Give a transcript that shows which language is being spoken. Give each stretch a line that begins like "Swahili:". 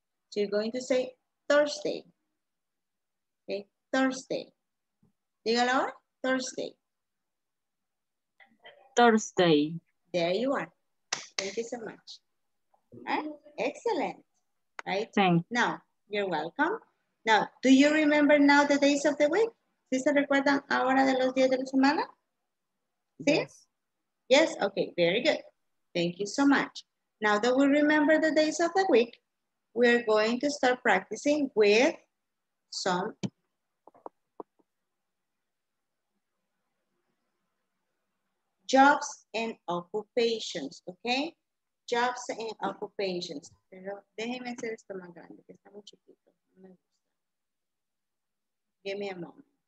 English: So you're going to say Thursday. Okay, Thursday.
Spanish: Dígalo ahora, Thursday.
English: Thursday. There you are. Thank you so much. Right? Excellent. Right? Thanks. Now, you're welcome. Now, do you remember now the days of the week?
Spanish: ¿Sí se recuerdan ahora de los días de la semana?
English: ¿Sí? Yes. Yes, okay, very good. Thank you so much. Now that we remember the days of the week, we are going to start practicing with some jobs and occupations, okay? Jobs and occupations.
Spanish: Pero déjeme hacer esto más grande, que está muy chiquito.
English: Give me a moment.